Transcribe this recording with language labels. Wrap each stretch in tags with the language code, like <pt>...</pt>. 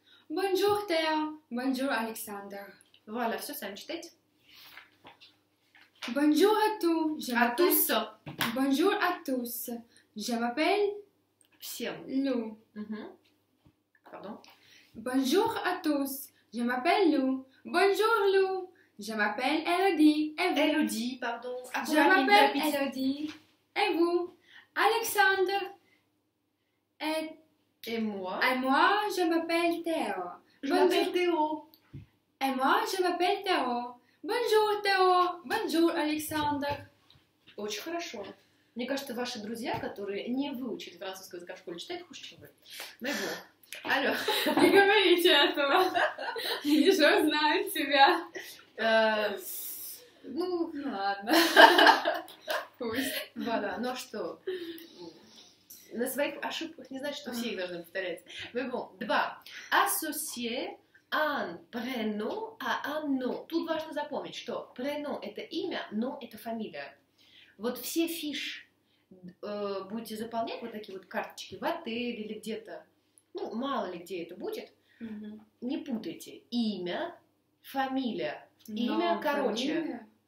<fr>Bonjour Théo. Bonjour Alexandre. Voilà, все сами читайте. Bonjour à tous. À tous. Bonjour à tous. Je m'appelle...</fr> <ru>Всем.</ru> <fr>Lou. Pardon? Bonjour à tous. Je m'appelle Lou. Bonjour Lou. Je m'appelle Elodie. Et vous? Elodie, pardon. Je m'appelle Elodie. Et vous? Alexandre. Et moi? Et moi, je m'appelle Théo. Et moi, je m'appelle Théo. Bonjour Théo. Bonjour Alexandre.</fr> <ru>Очень хорошо. Мне кажется, ваши друзья, которые не выучили французский язык в школе, читают хуже, чем вы. Мэйбл. Алло. Не говорите этого. Я же знаю тебя. Ну, ладно. Пусть. Вода, ну что? На своих ошибках не значит, что все их должны повторять. Мэйбл. Два.</ru> <fr>Associé un prénom à un nom.</fr> <ru>Тут важно запомнить, что prénom — это имя, nom — это фамилия. Вот все фиш будете заполнять, вот такие вот карточки, в отеле или где-то, ну, мало ли где это будет, не путайте. Имя, фамилия, имя короче. Фамилия?</ru>